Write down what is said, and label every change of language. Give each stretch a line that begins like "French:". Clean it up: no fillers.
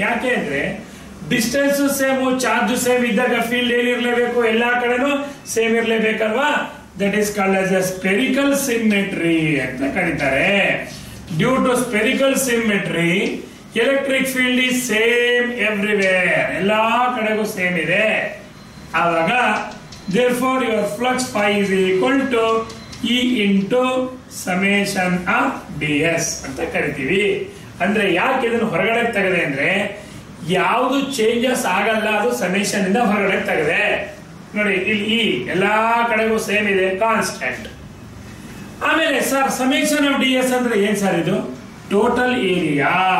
Kannada: ಯಾಕೆ ಅಂದ್ರೆ distance same, charge same ಇದ್ದಾಗ ಫೀಲ್ಡ್ ಏನಿರ್ಲೇಬೇಕು, ಎಲ್ಲಾ ಕಡೆನೂ same ಇರ್ಲೇಬೇಕಲ್ವಾ.
English: that is called as a spherical symmetry
Kannada: ಅಂತ ಕರೀತಾರೆ.
English: due to spherical symmetry electric field is same everywhere,
Kannada: ಎಲ್ಲಾ ಕಡೆಗೂ ಸೇಮ್ ಇದೆ. ಆವಾಗ
English: therefore your flux phi is equal to e into summation of ds
Kannada: ಅಂತ ಕರಿತೀವಿ. ಅಂದ್ರೆ ಯಾಕೆ ಇದನ್ನು ಹೊರಗಡೆ ತೆಗೆದೆ ಅಂದ್ರೆ ಯಾವುದು ಚೇಂಜಸ್ ಆಗಲ್ಲ ಅದು ಸಮೇಶನ್ ಇಂದ ಹೊರಗಡೆ ತೆಗೆದೆ. ನೋಡಿ ಇಲ್ಲಿ ಇ ಎಲ್ಲಾ ಕಡೆಗೂ ಸೇಮ್ ಇದೆ, ಕಾನ್ಸ್ಟೆಂಟ್. ಆಮೇಲೆ ಸರ್ ಸಮೇಶನ್ ಆಫ್ ds ಅಂದ್ರೆ ಏನ್ ಸರ್? ಇದು ಟೋಟಲ್ ಏರಿಯಾ.